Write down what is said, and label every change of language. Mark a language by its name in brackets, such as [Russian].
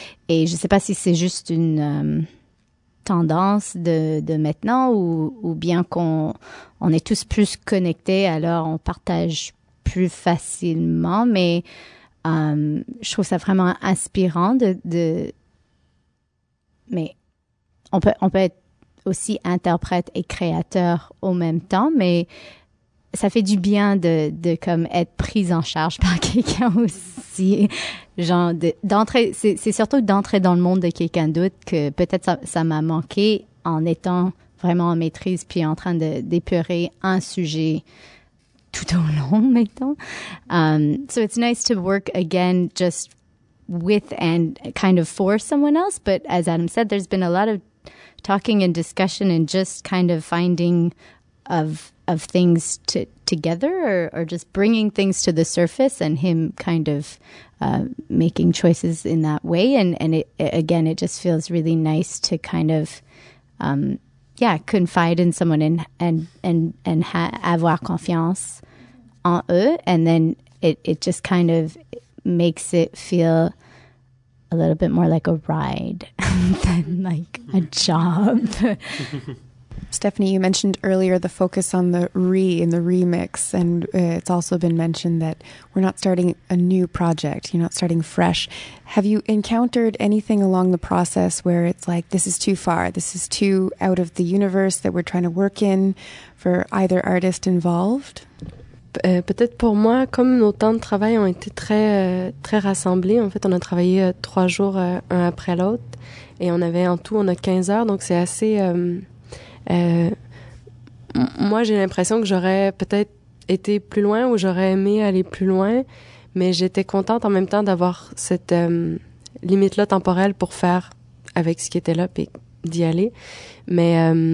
[French] Et je ne sais pas si c'est juste une tendance de maintenant ou bien qu'on est tous plus connectés, alors on partage plus facilement, mais je trouve ça vraiment inspirant mais on peut être aussi interprète et créateur au même temps, mais ça fait du bien de comme être prise en charge par quelqu'un aussi. Genre c'est surtout d'entrer dans le monde de quelqu'un d'autre que peut-être ça m'a manqué en étant vraiment en maîtrise puis en train de d'épurer un sujet tout au long, mettons. [English] So it's nice to work again just with and kind of for someone else. But as Adam said, there's been a lot of talking and discussion and just kind of finding of things together or just bringing things to the surface and him kind of making choices in that way. And it just feels really nice to kind of confide in someone and [French] avoir confiance en eux, [English] and then it just kind of makes it feel a little bit more like a ride than like a job. Stephanie, you mentioned earlier the focus on the re in the remix, and it's also been mentioned that we're not starting a new project, you're not starting fresh. Have you encountered anything along the process where it's like, this is too far, this is too out of the universe that we're trying to work in for either artist involved? [French] Peut-être pour moi, comme nos temps de travail ont été très, très rassemblés, en fait, on a travaillé trois jours un après l'autre et on avait en tout, on a 15 heures, donc c'est assez... Moi, j'ai l'impression que j'aurais peut-être été plus loin ou j'aurais aimé aller plus loin, mais j'étais contente en même temps d'avoir cette limite-là temporelle pour faire avec ce qui était là et d'y aller. Mais...